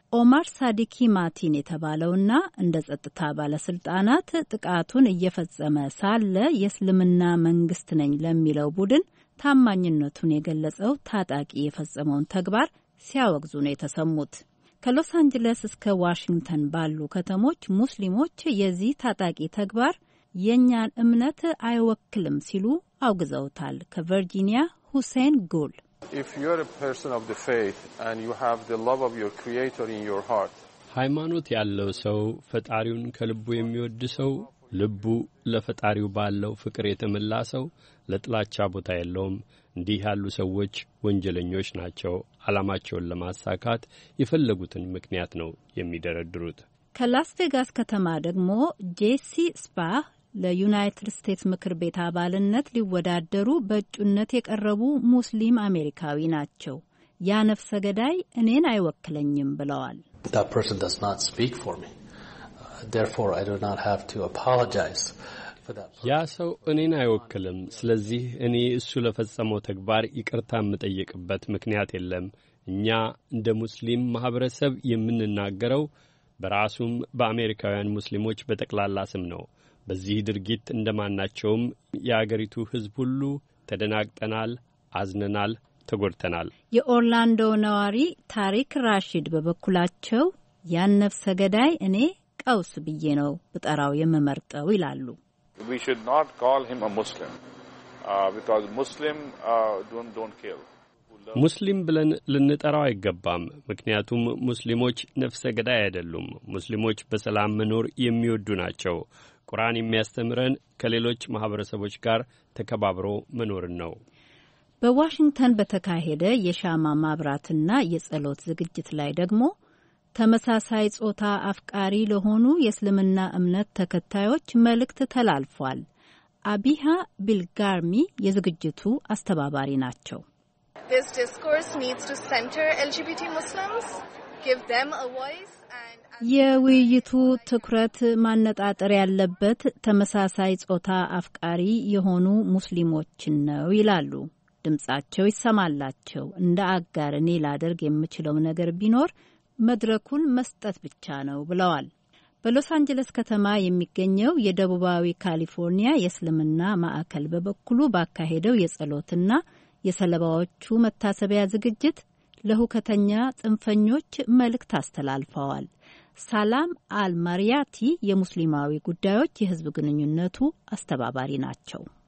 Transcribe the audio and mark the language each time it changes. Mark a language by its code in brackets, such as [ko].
[am] ኦማር ሳዲኪ ማቲን የተባለውና እንደ ጸጥታ ባለስልጣናት ጥቃቱን እየፈጸመ ሳለ የእስልምና መንግስት ነኝ ለሚለው ቡድን ታማኝነቱን የገለጸው ታጣቂ የፈጸመውን ተግባር ሲያወግዙ ነው የተሰሙት። ከሎስ አንጀለስ እስከ ዋሽንግተን ባሉ ከተሞች ሙስሊሞች የዚህ ታጣቂ ተግባር የኛን እምነት አይወክልም ሲሉ አውግዘውታል። ከቨርጂኒያ ሁሴን ጉል። [en] If you are a person of the faith and you have the love of your creator in your heart. [am] ሃይማኖት ያለው ሰው ፈጣሪውን ከልቡ የሚወድ ሰው ልቡ ለፈጣሪው ባለው ፍቅር የተመላ ሰው ለጥላቻ ቦታ የለውም። እንዲህ ያሉ ሰዎች ወንጀለኞች ናቸው። አላማቸውን ለማሳካት የፈለጉትን ምክንያት ነው የሚደረድሩት። ከላስ ቬጋስ ከተማ ደግሞ ጄሲ ስፓ ለዩናይትድ ስቴትስ ምክር ቤት አባልነት ሊወዳደሩ በእጩነት የቀረቡ ሙስሊም አሜሪካዊ ናቸው። ያ ነፍሰ ገዳይ እኔን አይወክለኝም ብለዋል። [en] That person does not speak for me. Therefore, I do not have to apologize for that. [am] ያ ሰው እኔን አይወክልም። ስለዚህ እኔ እሱ ለፈጸመው ተግባር ይቅርታ መጠየቅበት ምክንያት የለም። እኛ እንደ ሙስሊም ማህበረሰብ የምንናገረው በራሱም በአሜሪካውያን ሙስሊሞች በጠቅላላ ስም ነው። በዚህ ድርጊት እንደማናቸውም የአገሪቱ ህዝብ ሁሉ ተደናግጠናል፣ አዝነናል፣ ተጎድተናል። የኦርላንዶ ነዋሪ ታሪክ ራሺድ በበኩላቸው ያን ነፍሰ ገዳይ እኔ ቀውስ ብዬ ነው ብጠራው የምመርጠው ይላሉ። [en] We should not call him a Muslim because Muslims don't kill. [am] ሙስሊም ብለን ልንጠራው አይገባም። ምክንያቱም ሙስሊሞች ነፍሰ ገዳይ አይደሉም። ሙስሊሞች በሰላም መኖር የሚወዱ ናቸው። ቁርአን የሚያስተምረን ከሌሎች ማህበረሰቦች ጋር ተከባብሮ መኖር ነው። በዋሽንግተን በተካሄደ የሻማ ማብራትና የጸሎት ዝግጅት ላይ ደግሞ ተመሳሳይ ጾታ አፍቃሪ ለሆኑ የእስልምና እምነት ተከታዮች መልእክት ተላልፏል። አቢሃ ቢልጋርሚ የዝግጅቱ አስተባባሪ ናቸው። [en] This discourse needs to center LGBT Muslims, give them a voice. [am] የውይይቱ ትኩረት ማነጣጠር ያለበት ተመሳሳይ ጾታ አፍቃሪ የሆኑ ሙስሊሞችን ነው ይላሉ። ድምጻቸው ይሰማላቸው። እንደ አጋር እኔ ላደርግ የምችለው ነገር ቢኖር መድረኩን መስጠት ብቻ ነው ብለዋል። በሎስ አንጀለስ ከተማ የሚገኘው የደቡባዊ ካሊፎርኒያ የእስልምና ማዕከል በበኩሉ ባካሄደው የጸሎትና የሰለባዎቹ መታሰቢያ ዝግጅት ለሁከተኛ ጽንፈኞች መልእክት አስተላልፈዋል። ሰላም አልማሪያቲ የሙስሊማዊ ጉዳዮች የህዝብ ግንኙነቱ አስተባባሪ ናቸው።